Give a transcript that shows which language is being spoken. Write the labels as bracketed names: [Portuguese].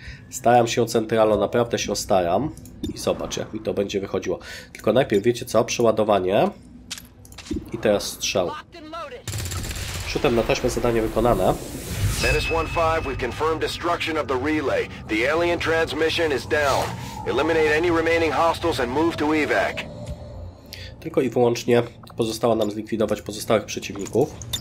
[Polish] Staram się o centralo, naprawdę się staram. I zobacz, jak mi to będzie wychodziło. Tylko najpierw, wiecie co, przeładowanie. I teraz strzał. Szutem na taśmę zadanie wykonane. [English] Menace 1-5, we've confirmed destruction of the relay. The alien transmission is down. Eliminate any remaining hostiles and move to evac. [Polish] Tylko i wyłącznie pozostało nam zlikwidować pozostałych przeciwników.